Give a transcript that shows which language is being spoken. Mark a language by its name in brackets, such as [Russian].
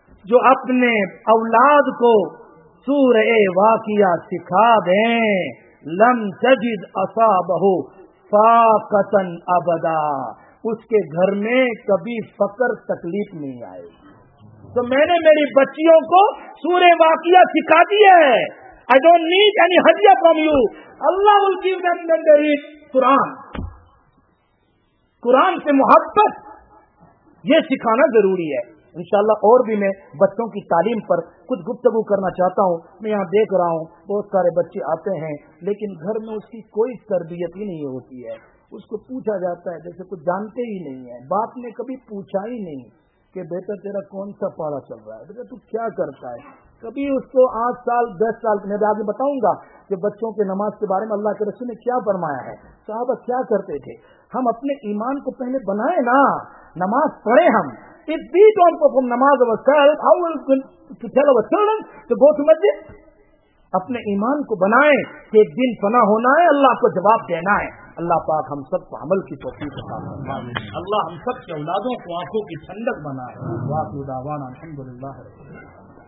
[Urdu] جو اپنے اولاد کو سورہ واقعہ سکھا دیں, [Arabic] لم تجد اصابہ فاقتن ابدا, [Urdu] اس کے گھر میں کبھی فقر تکلیف نہیں آئے. تو میں نے میری بچیوں کو سورہ واقعہ سکھا دی ہے. [English] I don't need any hadiya from you. Allah will give them when they read Quran. [Urdu] قرآن سے محبت, یہ سکھانا ضروری ہے. انشاءاللہ اور بھی میں بچوں کی تعلیم پر کچھ گفتگو کرنا چاہتا ہوں. میں یہاں دیکھ رہا ہوں بہت سارے بچے آتے ہیں, لیکن گھر میں اس کی کوئی تربیت ہی نہیں ہوتی ہے. اس کو پوچھا جاتا ہے جیسے کچھ جانتے ہی نہیں ہیں. باپ نے کبھی پوچھا ہی نہیں کہ بیٹا تیرا کون سا پارا چل رہا ہے, بیٹا تو کیا کرتا ہے. کبھی اس کو 8 سال 10 سال, میں آگے بتاؤں گا کہ بچوں کے نماز کے بارے میں اللہ کے رسول نے کیا فرمایا ہے, صحابہ کیا کرتے تھے. ہم اپنے ایمان کو پہلے بنائیں نا, نماز پڑھیں ہم. [English] If we don't perform namaz ourselves, how will we to tell our children to go to masjid? [Urdu] اپنے ایمان کو بنائیں کہ ایک دن فنا ہونا ہے, اللہ کو جواب دینا ہے. اللہ پاک ہم سب کو عمل کی توفیق عطا فرمائے. اللہ ہم سب کے اولادوں کو آنکھوں کی ٹھنڈک بنائے. [Arabic] واقعہ دعوانا الحمدللہ رب العالمین.